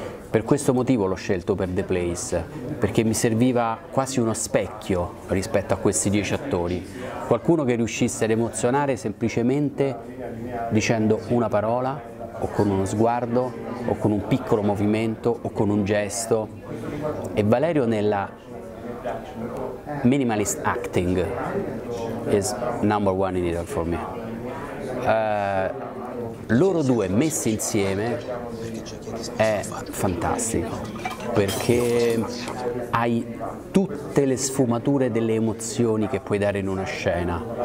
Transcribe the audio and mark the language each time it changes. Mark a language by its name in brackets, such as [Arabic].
[Italian] Per questo motivo l'ho scelto per The Place, perché mi serviva quasi uno specchio rispetto a questi 10 attori. Qualcuno che riuscisse ad emozionare semplicemente dicendo una parola, o con uno sguardo, o con un piccolo movimento, o con un gesto. E Valerio nella [English] minimalist acting is number one in Italy for me. [Italian] Loro due messi insieme è fantastico, perché hai tutte le sfumature delle emozioni che puoi dare in una scena.